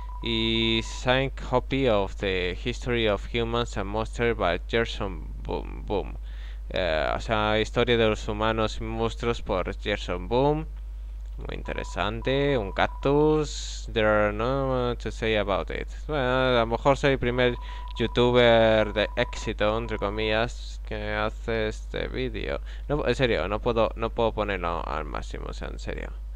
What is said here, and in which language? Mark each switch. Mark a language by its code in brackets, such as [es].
[en] Y signed copy of the History of Humans and Monsters by Gerson Boom. [es] O sea, historia de los humanos y monstruos por Gerson Boom. Muy interesante. Un cactus. [en] There are no much to say about it. [es] Bueno, a lo mejor soy el primer youtuber de éxito, entre comillas, que hace este vídeo. No, en serio, no puedo ponerlo al máximo, o sea, en serio.